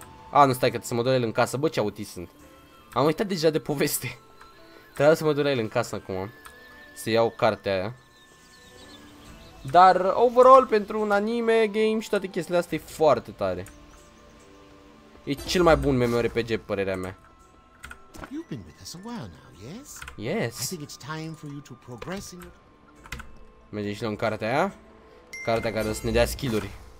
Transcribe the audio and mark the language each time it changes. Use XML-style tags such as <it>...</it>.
<ro>A, nu stai, că să mă duc el în casă, bă, ce autist sunt. Am uitat deja de poveste. Trebuie să mă duc el în casă acum, să iau cartea aia. Dar, overall, pentru un anime, game și toate chestiile astea, e foarte tare. E cel mai bun MMORPG, părerea mea.</ro> <en>You've been with us a while now, yes? Yes. I think it's time for you to progress in your...</en> <ro>Mergem și luăm cartea aia. Cartea care o să ne dea skill-uri.</ro>